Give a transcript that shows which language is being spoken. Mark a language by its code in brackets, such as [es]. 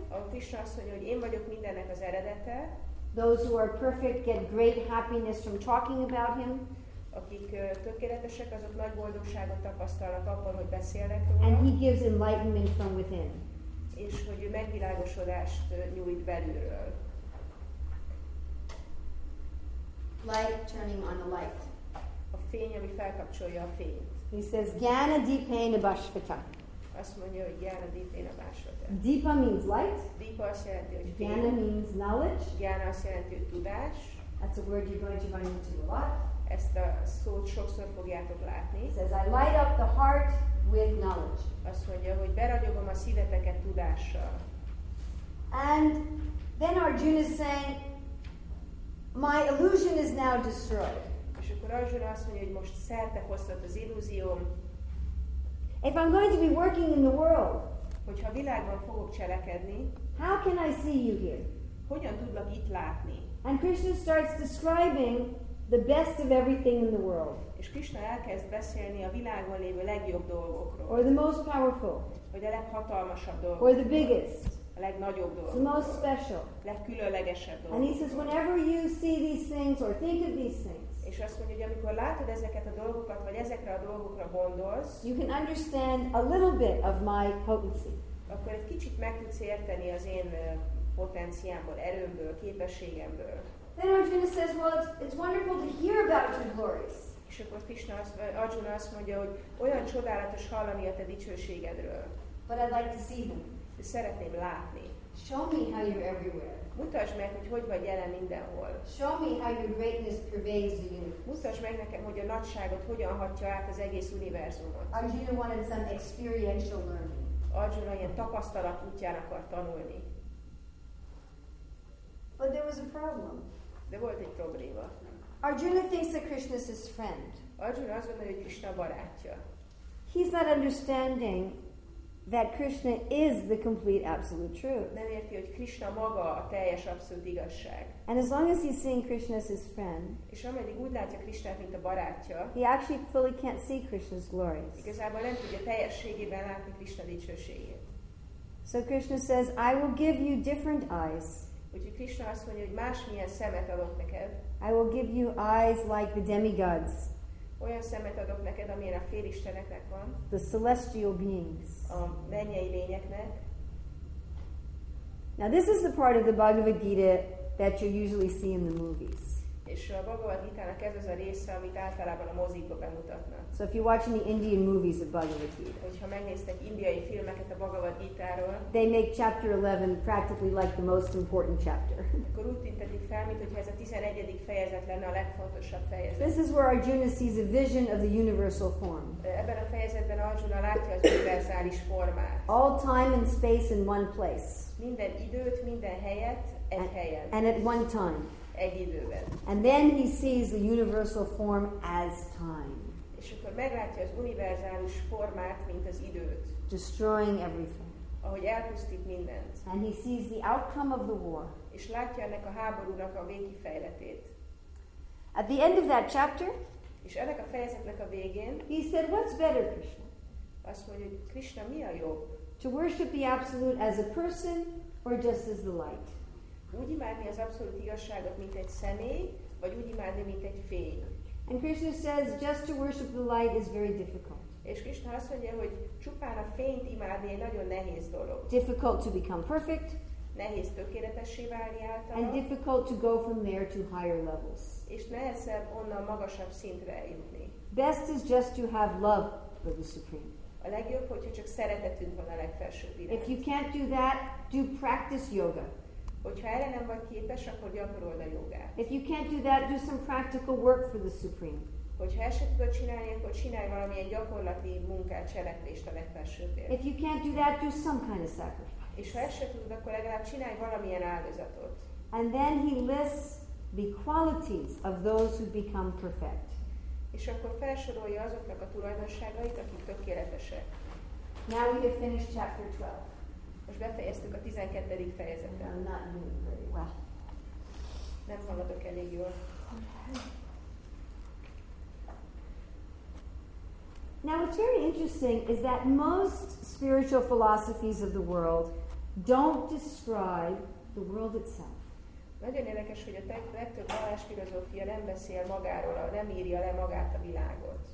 [hu] A Krishna azt mondja, hogy én vagyok mindennek az eredete. [en] Those who are perfect get great happiness from talking about him. [hu] Akik tökéletesek, azok nagy boldogságot tapasztalnak abban, hogy beszélnek róla. [en] And he gives enlightenment from within. [hu] És hogy ő megvilágosodást nyújt belülről. [en] Light turning on a light. [hu] A fény, ami felkapcsolja a fényt. [en] He says, [sa] Gyana Dipena Bhasvata. [hu] Azt mondja, hogy [sa] Gyana Dipena Bhasvata. [en] Dipa means light. [hu] Dipa azt jelenti, hogy fény. [en] Gyana means knowledge. [hu] Gyana azt jelenti, hogy tudás. [en] That's a word you're going to run into a lot. [hu] Ezt a szót sokszor fogjátok látni. [en] Says, I light up the heart with knowledge. [hu] Azt mondja, hogy beragyogom a szíveteket tudással. [en] And then Arjuna is saying, my illusion is now destroyed. [hu] És akkor Arjuna azt mondja, hogy most szerte fosztott az illúzióm. [en] If I'm going to be working in the world, [hu] hogyha a világban fogok cselekedni, [en] how can I see you here? [hu] Hogyan tudlak itt látni? [en] And Krishna starts describing the best of everything in the world. [hu] És Krishna elkezd beszélni a világon lévő legjobb dolgokról. [en] Or the most powerful. [hu] Vagy a leghatalmasabb dolgokról. [en] Or the biggest. [hu] A legnagyobb dolgokról. [en] The most special. [hu] Legkülönlegesebb dolgokról. [en] And he says, whenever you see these things or think of these things, [hu] és azt mondja, hogy amikor látod ezeket a dolgokat, vagy ezekre a dolgokra gondolsz, [en] you can understand a little bit of my potency. [hu] Akkor egy kicsit meg tudsz érteni az én potenciámból, erőmből, képességemből. [en] Then Arjuna says, "Well, it's wonderful to hear about your glories." [hu] És akkor Krishna Arjuna azt mondja, hogy olyan csodálatos hallani a te dicsőségedről. [en] But I'd like to see them. [hu] De szeretném látni. [en] Show me how you're everywhere. [hu] Mutasd meg, hogy hogy vagy jelen mindenhol. [en] Show me how your greatness pervades the universe. [hu] Mutasd meg nekem, hogy a nagyságot hogyan hatja át az egész univerzumot. [en] Arjuna wanted some experiential learning. [hu] Arjuna ilyen tapasztalat útján akar tanulni. [en] But there was a problem. [hu] De volt egy probléma. [en] Arjuna thinks that Krishna is his friend. [hu] Arjuna azt gondolja, hogy Krishna barátja. [en] He's not understanding That Krishna is the complete absolute truth. [hu] Nem érti, hogy Krishna maga a teljes abszolút igazság. [en] And as long as he's seeing Krishna as his friend, [hu] és ameddig úgy látja Krishnát, mint a barátja, [en] he actually fully can't see Krishna's glories. [hu] Igazából nem tudja teljességében látni Krishna dicsőségét. [en] So Krishna says, I will give you different eyes. [hu] Úgyhogy Krishna azt mondja, hogy másmilyen szemet adok neked. [en] I will give you eyes like the demigods. [hu] Olyan szemet adok neked, amilyen a félisteneknek van. [en] The celestial beings. [hu] A mennyei lényeknek. [en] Now this is the part of the Bhagavad Gita that you usually see in the movies. [hu] És a Bhagavad Gita-nak ez az a része, amit általában a mozikba bemutatnak. [en] So if you watch any Indian movies of Bhagavad Gita, [hu] hogyha megnéztek indiai filmeket a Bhagavad Gita-ról, [en] they make chapter 11 practically like the most important chapter. [hu] Akkor úgy tüntetik fel, mint hogyha ez a 11. fejezet lenne a legfontosabb fejezet. [en] This is where Arjuna sees a vision of the universal form. [hu] Ebben a fejezetben Arjuna látja az univerzális formát. [en] All time and space in one place. [hu] Minden időt, minden helyet, egy helyen. [en] And at one time. [hu] Egy időben. [en] And then he sees the universal form as time. [hu] És akkor meglátja az univerzális formát, mint az időt. [en] Destroying everything. [hu] Ahogy elpusztít mindent. [en] And he sees the outcome of the war. [hu] És látja ennek a háborúnak a végkifejletét. [en] At the end of that chapter, [hu] és ennek a fejezetnek a végén, [en] he said, what's better, Krishna? [hu] Azt mondja, hogy Krishna, mi a jobb? [en] To worship the absolute as a person or just as the light? [hu] Úgy imádni az abszolút igazságot, mint egy személy, vagy úgy imádni, mint egy fény. [en] And Krishna says, just to worship the light is very difficult. [hu] És Krishna azt mondja, hogy csupán a fényt imádni egy nagyon nehéz dolog. [en] Difficult to become perfect. [hu] Nehéz tökéletessé válni általa. [en] And difficult to go from there to higher levels. [hu] És nehezebb onnan magasabb szintre jutni. [en] Best is just to have love for the Supreme. [hu] A legjobb, hogyha csak szeretetünk van a legfelsőbb irány. [en] If you can't do that, do practice yoga. [hu] Hogyha erre nem vagy képes, akkor gyakorold a jogát. [en] If you can't do that, do some practical work for the Supreme. [hu] Hogyha ezt tudod csinálni, akkor csinálj valamilyen gyakorlati munkát, cselekvést a legfelsőbbért. [en] If you can't do that, do some kind of sacrifice. [hu] És ha ezt tudod, akkor legalább csinálj valamilyen áldozatot. [en] And then he lists the qualities of those who become perfect. [hu] És akkor felsorolja azoknak a tulajdonságait, akik tökéletesek. [en] Now we have finished chapter 12. [hu] Most befejeztük a 12. fejezetet. [en] I'm not doing very well. [hu] Nem hallatok elég jól. [en] Now what's very interesting is that most spiritual philosophies of the world don't describe the world itself. [hu] Nagyon érdekes, hogy a legtöbb vallásfilozófia nem beszél magáról, nem írja le magát a világot.